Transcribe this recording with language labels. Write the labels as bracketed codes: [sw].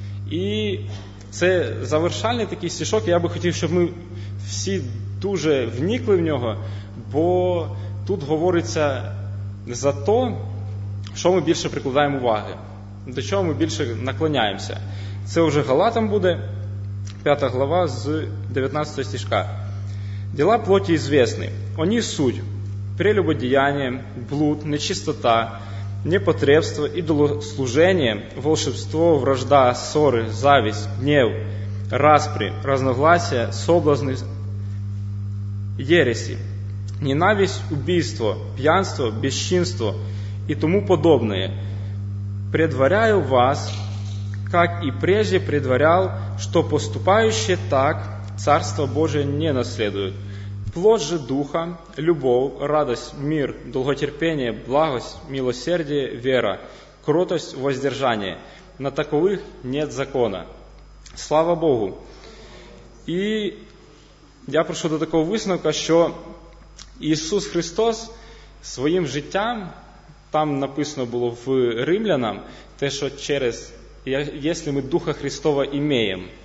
[uk] І це завершальний такий стишок. Я би хотів, щоб ми всі дуже вникли в нього, бо тут говориться за то, що ми більше прикладаємо уваги, до чого ми більше наклоняємося. Це вже Галатам буде, 5 глава з 19 стіжка. Діла плоті звісні. Вони суть: прелюбодіяння, блуд, нечистота, [ru] непотребство, идолослужение, волшебство, вражда, ссоры, зависть, гнев, распри, разногласия, соблазны, ереси, ненависть, убийство, пьянство, бесчинство и тому подобное. Предваряю вас, как и прежде предварял, что поступающие так Царство Божие не наследуют. Плод же Духа, любовь, радость, мир, долготерпение, благость, милосердие, вера, кротость, воздержание. На таковых нет закона. Слава Богу! [uk] И я прийшов до такого висновка, що Ісус Христос своїм життям, там написано було в Римлянам, те, що через, якщо ми Духа Христова імеємо.